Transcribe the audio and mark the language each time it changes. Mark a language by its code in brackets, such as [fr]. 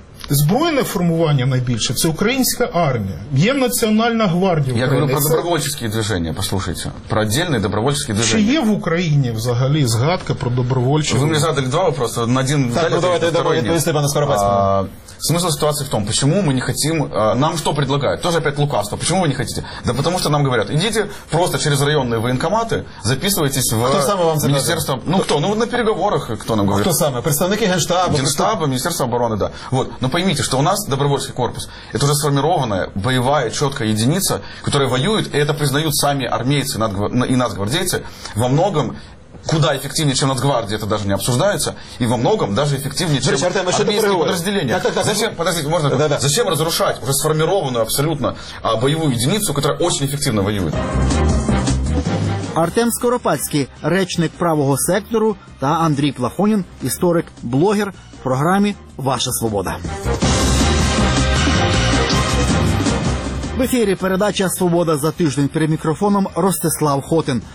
[uk] Збройне формування найбільше – це українська армія. Є Національна гвардія України. Я говорю про добровольчі движення, послухайте. Про віддільні добровольчі движення. Чи є в Україні взагалі згадка про добровольчі? Ви мені задали два питання, на один далі, на другий ні. [ru] Смысл ситуации в том, почему мы не хотим, нам что предлагают? Тоже опять лукавство. Почему вы не хотите? Да потому что нам говорят, идите просто через районные военкоматы, записывайтесь в министерство. Ну кто? Ну на переговорах кто нам говорит? Кто самое? Представники Генштаба? Генштаба, Министерство обороны, да. Вот. Но поймите, что у нас добровольческий корпус, это уже сформированная боевая четкая единица, которая воюет, и это признают сами армейцы и нацгвардейцы во многом. Куда эффективнее, чем Нацгвардия, это даже не обсуждается. И во многом даже эффективнее, чем армейские подразделения. Зачем разрушать уже сформированную абсолютно боевую единицу, которая очень эффективно воюет? [uk] Артем Скоропадський, речник правого сектору, та Андрій Плахонін, історик, блогер, в програмі «Ваша свобода». В ефірі передача «Свобода за тиждень». Перед мікрофоном Ростислав Хотин.